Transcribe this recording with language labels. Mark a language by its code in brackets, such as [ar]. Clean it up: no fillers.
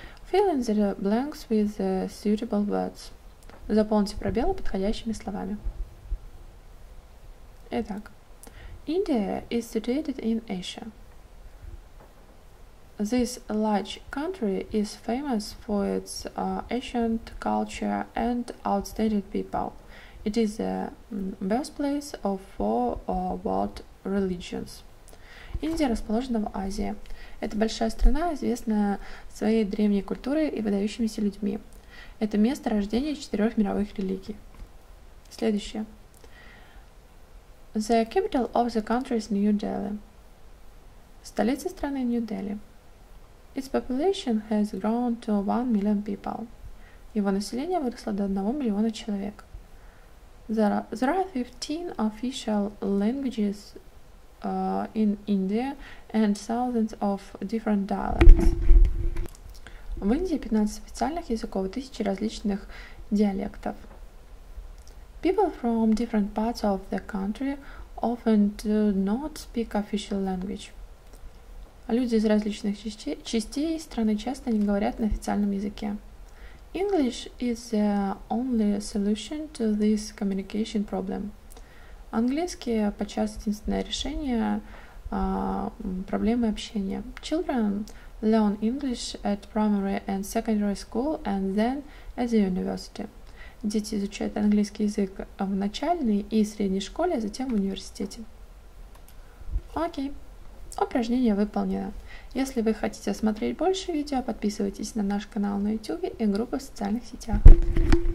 [en] Fill in the blanks with the suitable words. [ru] Заполните пробелы подходящими словами. Итак, [en] India is situated in Asia. This large country is famous for its ancient culture and outstanding people. It is the birthplace of four world religions. [ru] Индия расположена в Азии. Это большая страна, известная своей древней культурой и выдающимися людьми. Это место рождения четырех мировых религий. Следующее. [en] The capital of the country is New Delhi. [ru] Столица страны – Нью-Дели. [en] Its population has grown to 1 million people. [ru] Его население выросло до 1 миллиона человек. [en] There are 15 official languages in India and thousands of different dialects. [ru] В Индии 15 официальных языков и тысячи различных диалектов. [en] People from different parts of the country often do not speak official language. [ru] Люди из различных частей страны часто не говорят на официальном языке. [en] English is the only solution to this communication problem. [ru] Английский подчас единственное решение проблемы общения. [en] Children learn English at primary and secondary school and then at the university. [ru] Дети изучают английский язык в начальной и средней школе, а затем в университете. Окей. Упражнение выполнено. Если вы хотите смотреть больше видео, подписывайтесь на наш канал на YouTube и группу в социальных сетях.